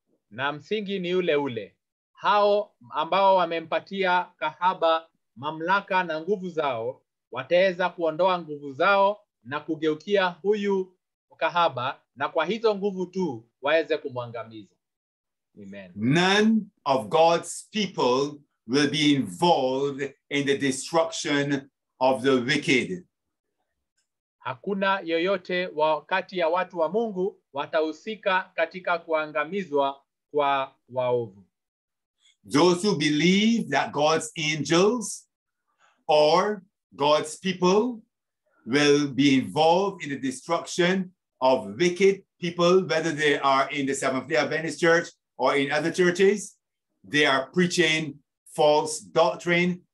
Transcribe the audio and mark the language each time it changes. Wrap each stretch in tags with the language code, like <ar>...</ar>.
<sw>Na msingi ni ule ule. Hao ambao wamempatia kahaba mamlaka na nguvu zao, wataweza kuondoa nguvu zao na kugeukia huyu kahaba na kwa hizo nguvu tu waweze kumwangamiza. Amen.</sw> <en>None of God's people will be involved in the destruction of the wicked.</en> <sw>Hakuna yoyote wakati ya watu wa Mungu watahusika katika kuangamizwa kwa waovu.</sw> <en>Those who believe that God's angels or God's people will be involved in the destruction of wicked people, whether they are in the Seventh-day Adventist Church or in other churches, they are preaching false doctrine.</en>